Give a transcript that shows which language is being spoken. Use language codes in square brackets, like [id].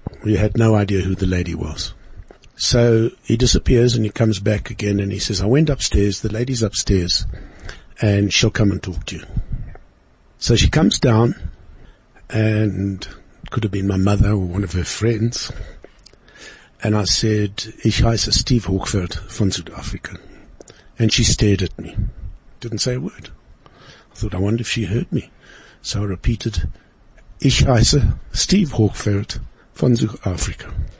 [en] We had no idea who the lady was. So he disappears and he comes back again and he says, I went upstairs. The lady's upstairs and she'll come and talk to you. So she comes down and could have been my mother or one of her friends. And I said, [de] Ich heiße Steve Hochfeld von Südafrika. [en] And she stared at me, didn't say a word. I thought, I wonder if she heard me. So I repeated, [de] Ich heiße Steve Hochfeld von Südafrika.